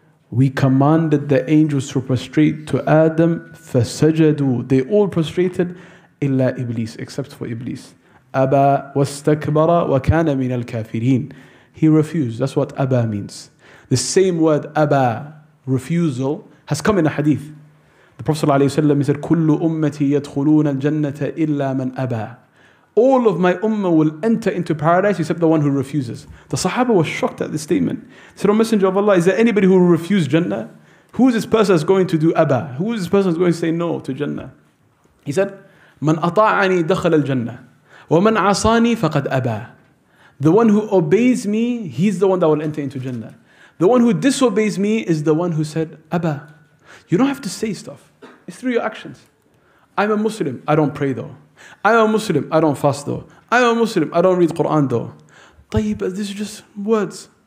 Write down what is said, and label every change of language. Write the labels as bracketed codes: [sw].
[en] We commanded the angels to prostrate to Adam, فَسَجَدُوا. They all prostrated, إِلَّا Iblis, except for Iblis. [ar] أَبَى وَاسْتَكْبَرَ وَكَانَ مِنَ الْكَافِرِينَ. [en] He refused. That's what أَبَى means. The same word أَبَى, refusal, has come in a hadith. The Prophet ﷺ said, [ar] كُلُّ أُمَّتِي يَدْخُلُونَ الْجَنَّةَ إِلَّا مَنْ أَبَى. [en] All of my ummah will enter into paradise except the one who refuses. The Sahaba was shocked at this statement. He said, O Messenger of Allah, is there anybody who will refuse Jannah? Who is this person that's going to do Abba? Who is this person that's going to say no to Jannah? He said, [ar] مَنْ أَطَاعَنِي دَخَلَ الْجَنَّةِ وَمَنْ عَصَانِي فَقَدْ أَبَى. [en] The one who obeys me, he's the one that will enter into Jannah. The one who disobeys me is the one who said Abba. You don't have to say stuff. It's through your actions. I'm a Muslim. I don't pray though. I'm a Muslim. I don't fast though. I'm a Muslim. I don't read Quran though. طيب, this is just words.